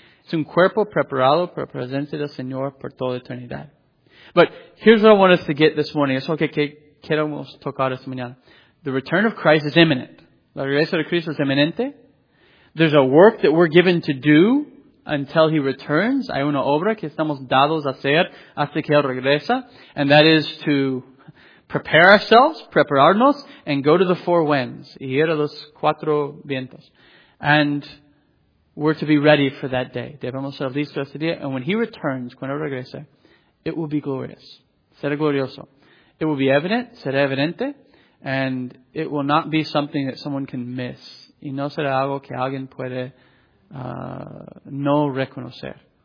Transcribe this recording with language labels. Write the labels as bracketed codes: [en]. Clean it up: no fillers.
[es] Es un cuerpo preparado para presencia del Señor por toda eternidad. [en] But here's what I want us to get this morning. [es] Es lo que queremos tocar esta mañana. [en] The return of Christ is imminent. [es] La regreso de Cristo es inminente. [en] There's a work that we're given to do until He returns. [es] Hay una obra que estamos dados a hacer hasta que Él regresa. [en] And that is to prepare ourselves, [es] prepararnos, [en] and go to the four winds, [es] y ir a los cuatro vientos. [en] And we're to be ready for that day. [es] Debemos ser listos ese día. [en] And when He returns, [es] cuando regrese, [en] it will be glorious. [es] Será glorioso. [en] It will be evident, [es] será evidente, [en] and it will not be something that someone can miss. [es] Y no será algo que alguien puede no reconocer.